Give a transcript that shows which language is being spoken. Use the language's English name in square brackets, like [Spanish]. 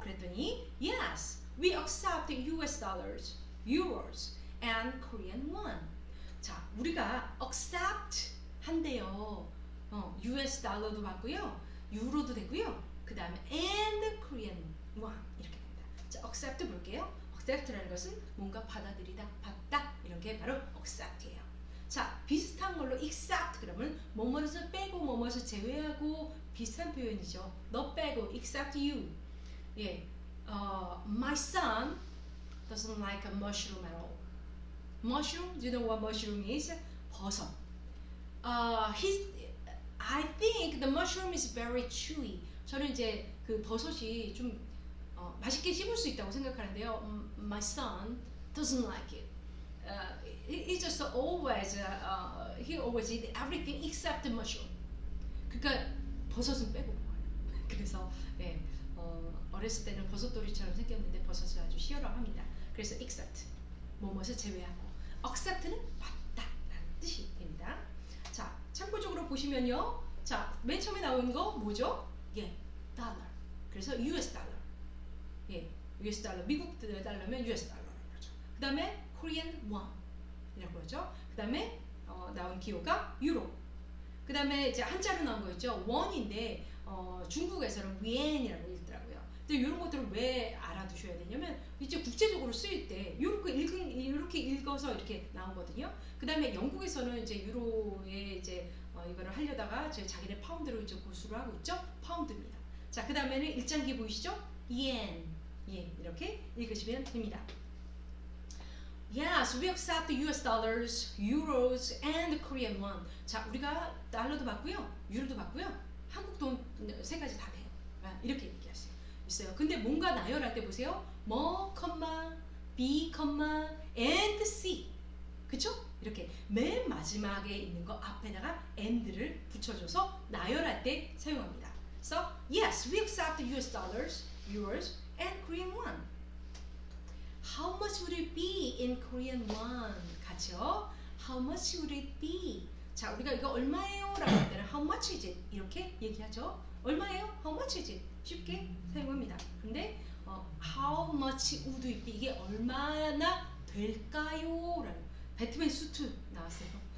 [English] 그랬더니 Yes, we accept US dollars, euros, and Korean won. [Korean] 자, 우리가 accept 한대요. US 달러도 받고요, 유로도 되고요. 그 다음에 and Korean won 이렇게 됩니다. 자, accept 볼게요. accept라는 것은 뭔가 받아들이다, 받다 이런 게 바로 accept예요. 자, 비슷한 걸로 exact 그러면 뭐뭐에서 빼고 뭐뭐에서 제외하고 비슷한 표현이죠. [English] 너 빼고 except you. 예, my son doesn't like a mushroom at all. Mushroom? Do you know what mushroom is? 버섯. I think the mushroom is very chewy. [Korean] 저는 이제 그 버섯이 좀 맛있게 씹을 수 있다고 생각하는데요. [English] My son doesn't like it. He just always he always eat everything except the mushroom. [Korean] 그러니까 버섯은 빼고 먹어요. 그래서 예, 어렸을 때는 버섯돌이처럼 생겼는데 버섯을 아주 싫어합니다. 그래서 except 뭐뭐를 제외하고 accept는 맞다라는 뜻이 됩니다. 자, 참고적으로 보시면요. 자, 맨 처음에 나온 거 뭐죠? 예, dollar. 그래서 US 달러. 예, US 달러. 미국 달러면 US 달러라는 거죠. 그다음에 Korean won 이라고 하죠. 그 다음에 나온 기호가 유로. 그 다음에 이제 한자로 나온 거 있죠. 원인데 중국에서는 위엔이라고 읽더라고요. 근데 이런 것들을 왜 알아두셔야 되냐면 이제 국제적으로 쓰일 때 이렇게 읽어서 이렇게 나오거든요. 그 다음에 영국에서는 이제 유로에 이제 이거를 하려다가 이제 자기네 파운드로 이제 고수를 하고 있죠. 파운드입니다. 자, 그 다음에는 일장기 보이시죠? 위엔. 예, 이렇게 읽으시면 됩니다. [English] Yes, we accept US dollars, euros, and Korean won. [Korean] 자, 우리가 달러도 받고요, 유로도 받고요, 한국 돈세 가지 다 돼요. 이렇게 얘기하세요. 있어요. 근데 뭔가 나열할 때 보세요. 뭐, 컴마, 비, 컴마, and C. 그쵸? 이렇게 맨 마지막에 있는 거 앞에다가 and를 붙여줘서 나열할 때 사용합니다. [English] So, yes, we accept US dollars, euros, and Korean won. How much would it be in Korean won? 같이요. How much would it be? [Korean] 자, 우리가 이거 얼마예요? [English] 라고 할 때는 How much is it? 이렇게 얘기하죠. 얼마예요? How much is it? 쉽게 사용합니다. 근데 How much would it be? [Korean] 이게 얼마나 될까요? 라고. 배트맨 수트 나왔어요.